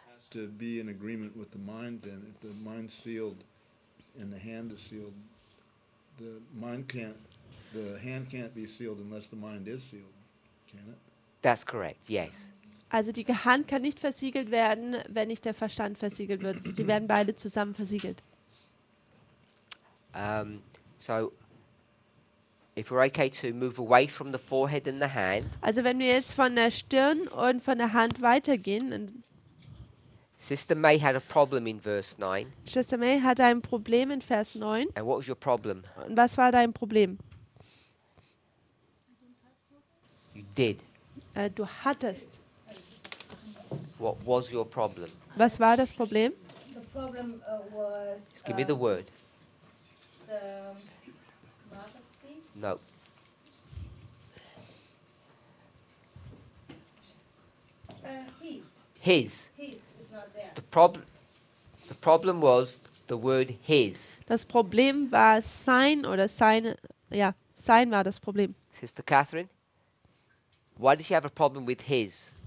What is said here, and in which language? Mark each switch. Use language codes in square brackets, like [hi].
[en] To be in agreement with the mind, then if the mind's sealed and the hand is sealed, the hand can't be sealed unless the mind is sealed, can it? That's correct, yes. [de] Also die Hand kann nicht versiegelt werden, wenn nicht der Verstand versiegelt wird. Sie werden beide zusammen versiegelt. [en] So if we're okay to move away from the forehead and the hand. [de] Also wenn wir jetzt von der Stirn und von der Hand weitergehen. [en] Sister May had a problem in verse 9. [de] Schwester May hatte ein Problem in Vers 9. [en] And what was your problem? [de] Und was war dein Problem? [en] You did. [de] Du hattest. [en] What was your problem? [de] Was war das Problem? [en] The problem was... Just give me the word. The mark of the beast? No. His. The problem was the word his. [de] Das Problem war sein oder seine, ja, sein war das Problem. [en] Sister Catherine, why did she have a problem with his?